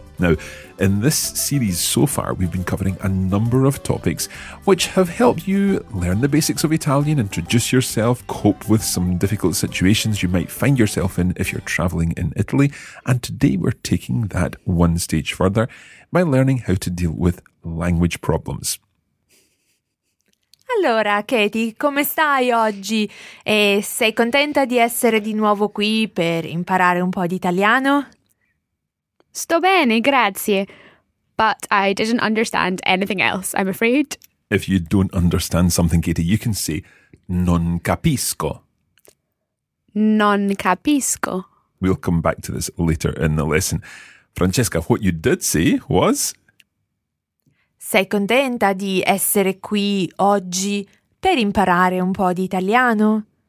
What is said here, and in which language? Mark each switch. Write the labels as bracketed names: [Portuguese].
[English] Now, in this series so far, we've been covering a number of topics which have helped you learn the basics of Italian, introduce yourself, cope with some difficult situations you might find yourself in if you're traveling in Italy. And today we're taking that one stage further by learning how to deal with language problems. [Italian] Allora, Katie, come stai oggi? E sei contenta di essere di nuovo qui per imparare un po' di italiano? Sto bene, grazie. [English] But I didn't understand anything else, I'm afraid. If you don't understand something, Katie, you can say [Italian] non capisco. Non capisco. [English] We'll come back to this later in the lesson. Francesca, what you did say was... [Italian] Sei contenta di essere qui oggi per imparare un po' di italiano?